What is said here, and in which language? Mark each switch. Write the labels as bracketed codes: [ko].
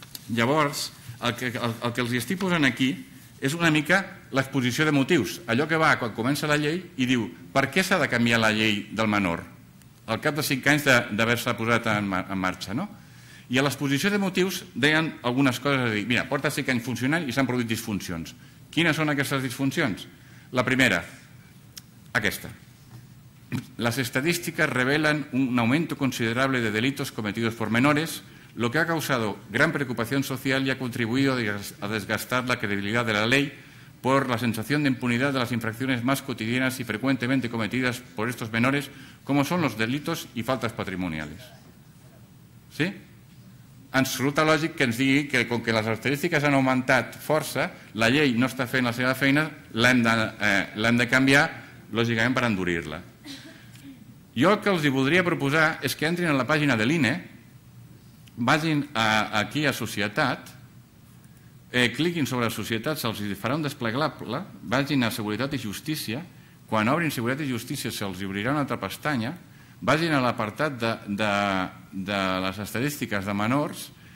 [ca] Llavors, el que els estic posant aquí és una mica l'exposició de motius, allò que va quan comença la llei i diu per què s'ha de canviar la llei del menor al cap de 5 anys d'haver-se posat en marxa, no? I a l'exposició de motius deien algunes coses, a dir, mira, porta 5 anys funcionant i s'han produït disfuncions. Quines són aquestes disfuncions? La primera, aquesta. [es] Las estadísticas revelan un aumento considerable de delitos cometidos por menores, lo que ha causado gran preocupación social y ha contribuido a desgastar la credibilidad de la ley por la sensación de impunidad de las infracciones más cotidianas y frecuentemente cometidas por estos menores, como son los delitos y faltas patrimoniales. ¿Sí? [ca] Ens resulta lògic que ens digui que com que les estadístiques han augmentat força, la llei no està fent la seva feina, l'hem de canviar, lògicament, per endurir-la. Jo el que els voldria proposar és que entrin a la pàgina de l'INE, vagin aquí a Societat, cliquin sobre Societat, se'ls farà un desplegable, vagin a Seguretat i Justícia, quan obrin Seguretat i Justícia se'ls obrirà una altra pestanya, vagin a l'apartat de les estadístiques de menors,